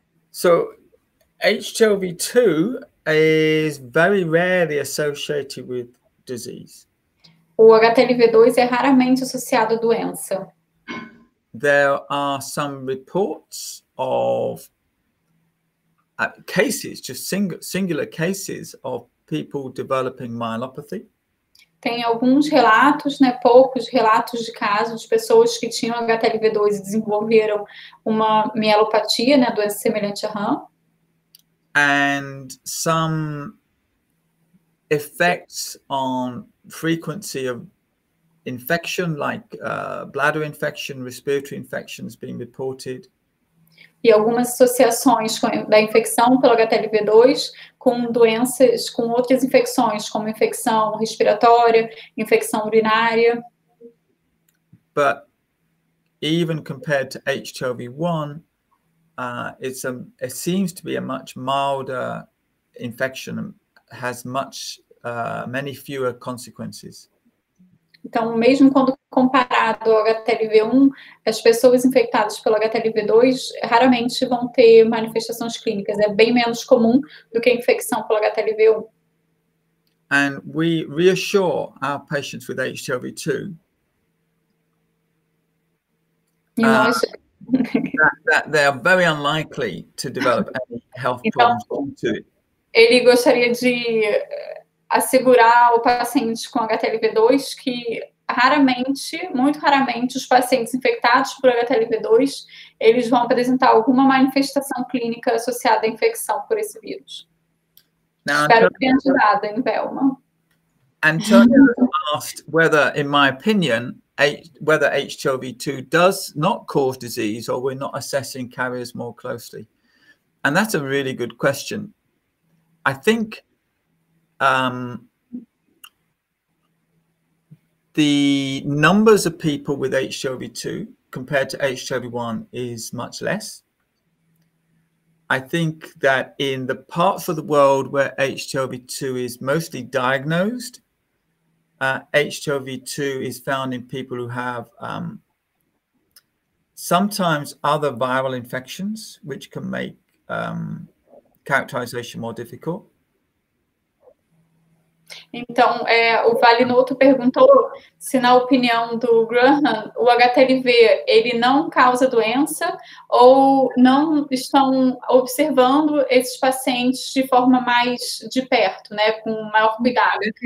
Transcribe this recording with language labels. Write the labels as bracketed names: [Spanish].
[English] So HLV2 is very rarely associated with disease. [Portuguese] O HTLV2 é raramente associado à doença. [English] There are some reports of cases, just singular cases of people developing myelopathy. [Portuguese] Tem alguns relatos, né, poucos relatos de casos de pessoas que tinham HTLV2 e desenvolveram uma mielopatia, né, doença semelhante a RAM. [English] And some effects on frequency of infection, like bladder infection, respiratory infections being reported. [Portuguese] E algumas associações da infecção pelo HTLV2 com doenças, com outras infecções, como infecção respiratória, infecção urinária. [English] But even compared to HTLV1, it seems to be a much milder infection and has many fewer consequences. [Portuguese] Então, mesmo quando comparado ao HTLV1, as pessoas infectadas pelo HTLV2 raramente vão ter manifestações clínicas. É bem menos comum do que a infecção pelo HTLV1. [English] And we reassure our patients with HTLV2. That they are very unlikely to develop any health problems due to it. [Portuguese] Ele gostaria de assegurar o paciente com HTLV2 que raramente, muito raramente, os pacientes infectados por HTLV2, eles vão apresentar alguma manifestação clínica associada à infecção por esse vírus. Now, espero que tenha ajudado, hein, Velma? [English] Antonio asked whether, in my opinion, whether HTLV2 does not cause disease or we're not assessing carriers more closely. And that's a really good question. I think the numbers of people with HTLV2 compared to HTLV1 is much less. I think that in the parts of the world where HTLV2 is mostly diagnosed, HTLV2 is found in people who have sometimes other viral infections, which can make characterization more difficult. [Portuguese] Então, o Valinotto perguntou se, na opinião do Graham, o HTLV ele não causa doença ou não estão observando esses pacientes de forma mais de perto, né, com maior cuidado.